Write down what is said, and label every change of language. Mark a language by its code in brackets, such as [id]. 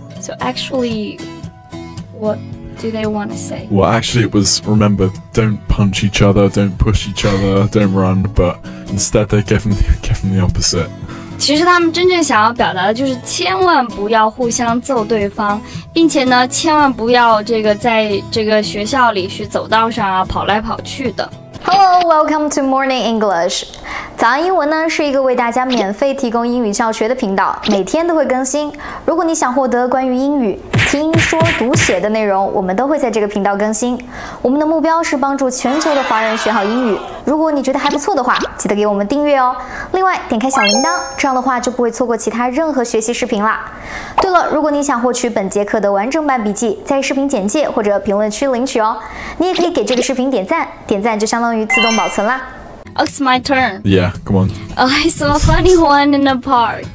[en] So actually, what do they want to say? Well, actually it was, remember, don't punch each other, don't push each other, don't run, but instead they gave them the opposite. [zh] 其实他们真正想要表达的就是千万不要互相揍对方，并且呢，千万不要这个在这个学校里去走道上啊，跑来跑去的。 [en] Hello, welcome to Morning English. [zh] 早安英文呢是一个为大家免费提供英语教学的频道，每天都会更新。如果你想获得关于英语听说读写的内容，我们都会在这个频道更新。我们的目标是帮助全球的华人学好英语。如果你觉得还不错的话，记得给我们订阅哦。另外，点开小铃铛，这样的话就不会错过其他任何学习视频啦。对了，如果你想获取本节课的完整版笔记，在视频简介或者评论区领取哦。你也可以给这个视频点赞，点赞就相当于自动保存啦。 [en] Oh, it's my turn. Yeah, come on. Oh, I saw a funny one in the park.